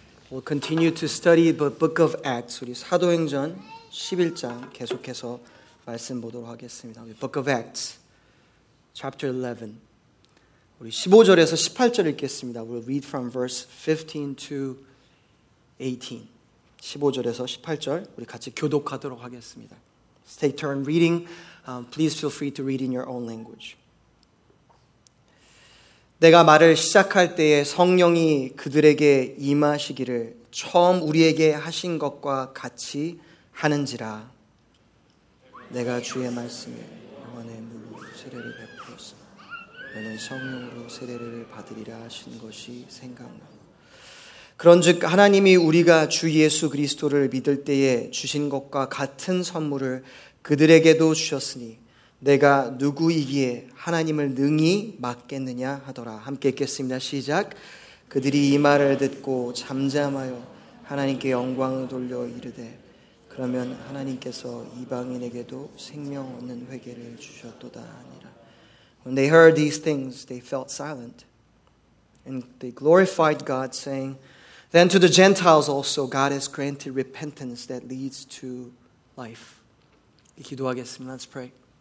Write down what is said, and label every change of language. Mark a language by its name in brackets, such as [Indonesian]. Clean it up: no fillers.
[English] We'll continue to study the book of Acts. [Korean] 우리 사도행전 11장 계속해서 말씀 보도록 하겠습니다. [English] Book of Acts, chapter 11. [Korean] 우리 15절에서 18절을 읽겠습니다. [English] We'll read from verse 15 to 18. [Korean] 15절에서 18절 우리 같이 교독하도록 하겠습니다. [English] Take turn reading. Please feel free to read in your own language. [Korean] 내가 말을 시작할 때에 성령이 그들에게 임하시기를 처음 우리에게 하신 것과 같이 하는지라. 내가 주의 말씀에 영원의 물로 세례를 베풀었으니 너는 성령으로 세례를 받으리라 하신 것이 생각나. 그런즉 하나님이 우리가 주 예수 그리스도를 믿을 때에 주신 것과 같은 선물을 그들에게도 주셨으니 내가 누구이기에 하나님을 능히 맡겠느냐 하더라. 함께 읽겠습니다. 시작. 그들이 이 말을 듣고 잠잠하여 하나님께 영광을 돌려 이르되 그러면 하나님께서 이방인에게도 생명 얻는 회개를 주셨도다 하니라. [English] When they heard these things, they felt silent. And they glorified God, saying, Then to the Gentiles also God has granted repentance that leads to life. [Korean] 기도하겠습니다. [English] Let's pray.